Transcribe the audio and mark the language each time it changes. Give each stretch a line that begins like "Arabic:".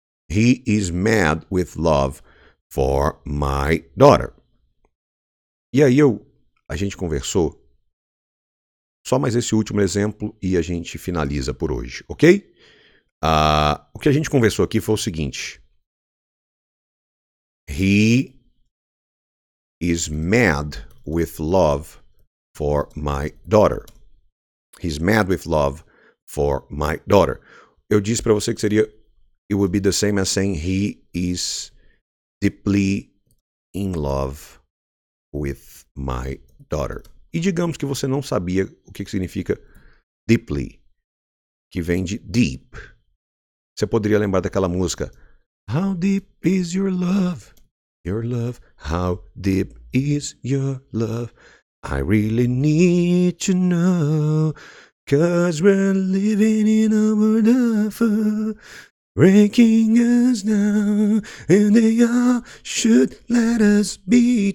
English: He is mad with love for my daughter.
Portuguese: E aí a gente conversou. Só mais esse último exemplo e a gente finaliza por hoje, ok? O que a gente conversou aqui foi o seguinte:
English: he is mad with love for my daughter. He's mad with love for my daughter.
Portuguese: Eu disse para você que seria,
English: it would be the same as saying he is deeply in love with my daughter.
Portuguese: E digamos que você não sabia o que significa deeply, que vem de deep. Você poderia lembrar daquela música,
English: how deep is your love? Your love, how deep is your love? I really need to know, 'cause we're living in a world of breaking us down, and they all should let us be.